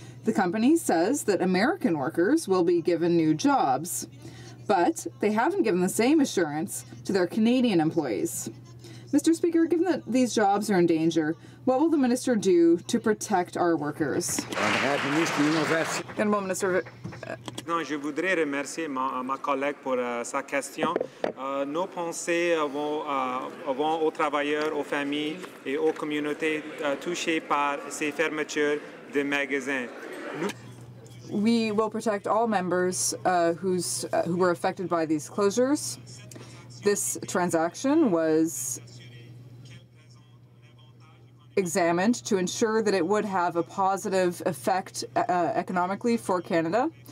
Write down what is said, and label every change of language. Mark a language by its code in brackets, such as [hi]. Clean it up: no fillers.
[en] The company says that American workers will be given new jobs, but they haven't given the same assurance to their Canadian employees. Mr. Speaker, given that these jobs are in danger, what will the minister do to protect our workers? Honourable Minister. [fr] Non, je voudrais remercier ma collègue pour sa question. Nos pensées vont aux travailleurs, aux familles et aux communautés touchées par ces fermetures de magasins. [en] We will protect all members who were affected by these closures. This transaction was examined to ensure that it would have a positive effect economically for Canada.